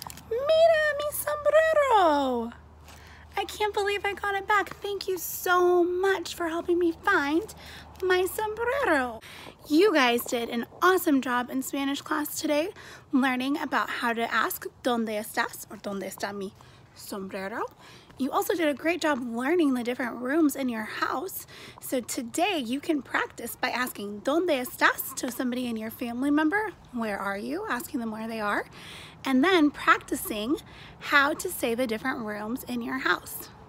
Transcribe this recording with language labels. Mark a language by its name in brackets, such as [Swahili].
[Spanish] Mira mi sombrero. [English] I can't believe I got it back. Thank you so much for helping me find my sombrero. You guys did an awesome job in Spanish class today, learning about how to ask [Spanish] ¿dónde estás? Or ¿dónde está mi sombrero? [English] You also did a great job learning the different rooms in your house. So today you can practice by asking [Spanish] ¿dónde estás? [English] To somebody in your family member, where are you? Asking them where they are. And then practicing how to say the different rooms in your house.